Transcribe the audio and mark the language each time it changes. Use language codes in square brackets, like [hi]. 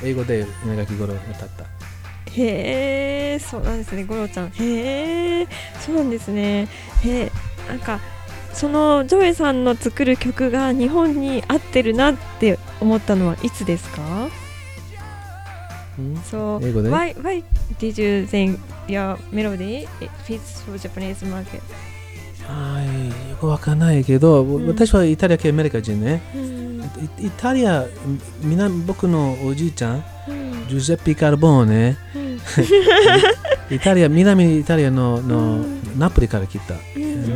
[ja] 英語で稲垣吾郎歌った。へえ、そうなんですね、吾郎ちゃん。へえ、そうなんですね。へえ、なんか。そのジョイさんの作る曲が日本に合ってるなって思ったのはいつですか？ So, 英語で [en] why did you think your melody fits for Japanese market? [ja] はい、よくわかんないけど、うん、私はイタリア系アメリカ人ね、うん、イタリア、僕のおじいちゃん、うん、ジュゼッピ・カルボーネ、うん、イタリア、南イタリアの、うん、ナプリから来た、うん、